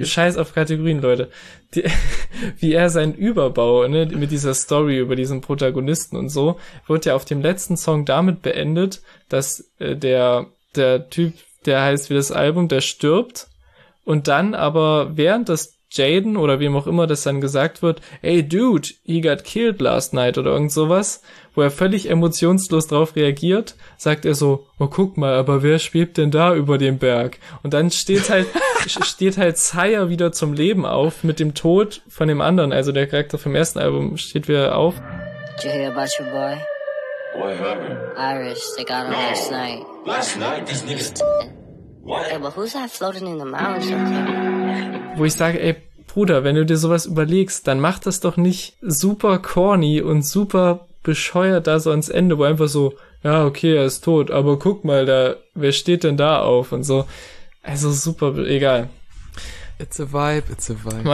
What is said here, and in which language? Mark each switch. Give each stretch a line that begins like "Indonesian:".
German: Ja, scheiß auf Kategorien, Leute. Wie er seinen Überbau, ne, mit dieser Story über diesen Protagonisten und so, wird ja auf dem letzten Song damit beendet, dass der Typ, der heißt wie das Album, der stirbt und dann aber während das Jaden oder wem auch immer das dann gesagt wird,
English: hey dude, he got killed last night
German: oder irgend sowas, wo er völlig emotionslos drauf reagiert, sagt er so, oh guck mal, aber wer schwebt denn da über dem Berg? Und dann steht halt Sire wieder zum Leben auf mit dem Tod von dem anderen, also der Charakter vom ersten Album steht wieder auf.
English: Did you hear about your boy? What happened? Irish, they got him last night. Last night? These niggas... What? Hey, but who's that floating in the mountains?
German: Wo ich sage, ey, Bruder, wenn du dir sowas überlegst, dann mach das doch nicht super corny und super bescheuert da so ans Ende, wo einfach so, ja, okay, er ist tot, aber guck mal, da, wer steht denn da auf und so. Also super, egal.
English: It's a vibe, it's a vibe.